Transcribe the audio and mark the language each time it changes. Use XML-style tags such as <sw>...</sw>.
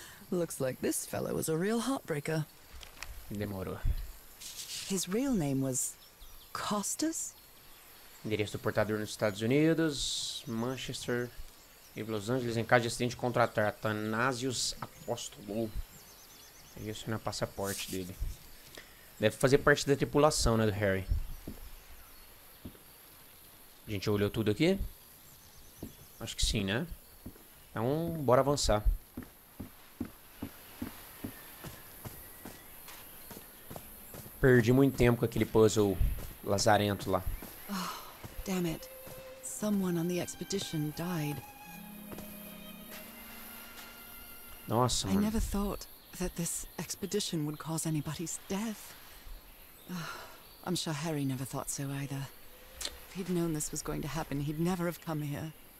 <en>Looks like this fellow was a real heartbreaker.</en> <pt>Demoro.</pt> <en>His real name was Costas?</en> <pt>Endereço do portador nos Estados Unidos, Manchester e Los Angeles, em caso de acidente, contratar Athanasius Apostolou. Isso é no passaporte dele. Deve fazer parte da tripulação, né, do Harry? A gente olhou tudo aqui? Acho que sim, né? Então, bora avançar. Perdi muito tempo com aquele puzzle lazarento lá.</pt> <en>Oh, damn it. Someone on the expedition died.</en> <pt>Nossa, mano.</pt> <en>I never thought that this expedition would cause anybody's death. Oh, I'm sure Harry never thought so either. If he'd known this was going to happen, he'd never have come here.</en>